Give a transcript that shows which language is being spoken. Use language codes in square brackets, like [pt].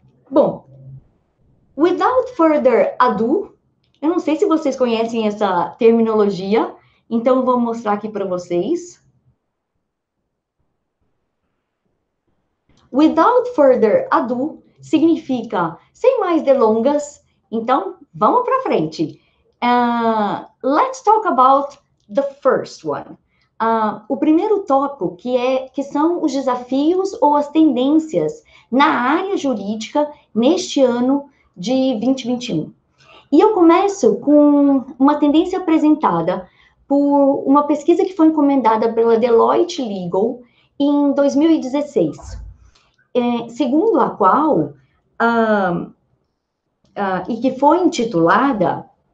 [pt] Bom, [en] without further ado, [pt] eu não sei se vocês conhecem essa terminologia, então eu vou mostrar aqui para vocês. [en] Without further ado [pt] significa sem mais delongas, então vamos para frente. [en] Let's talk about the first one. [pt] O primeiro tópico que são os desafios ou as tendências na área jurídica neste ano de 2021. E eu começo com uma tendência apresentada por uma pesquisa que foi encomendada pela Deloitte Legal em 2016, segundo a qual, e que foi intitulada.